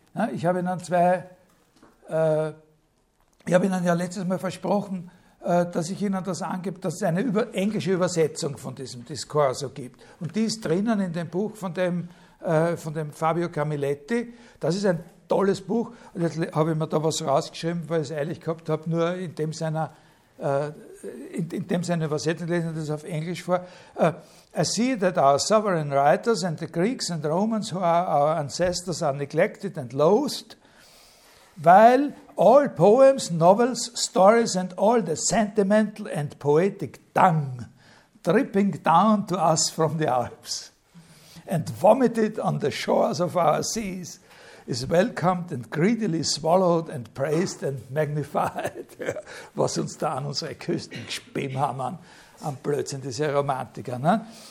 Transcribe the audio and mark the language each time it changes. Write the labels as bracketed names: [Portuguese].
[German] Ja, ich habe Ihnen letztes Mal versprochen, dass ich Ihnen das angebe, dass es eine englische Übersetzung von diesem Discorso gibt. Und die ist drinnen in dem Buch von dem Fabio Camilletti. Das ist ein tolles Buch. Und jetzt habe ich mir da was rausgeschrieben, weil ich es eilig gehabt habe, nur in dem seine Übersetzung lesen, das auf Englisch vor. [English] I see that our sovereign writers and the Greeks and Romans who are our ancestors are neglected and loathed, while all poems, novels, stories and all the sentimental and poetic dung dripping down to us from the Alps and vomited on the shores of our seas is welcomed and greedily swallowed and praised and magnified. [German] Was uns da an unsere Küsten spimhammern, am Blödsinn, diese Romantiker. Ne?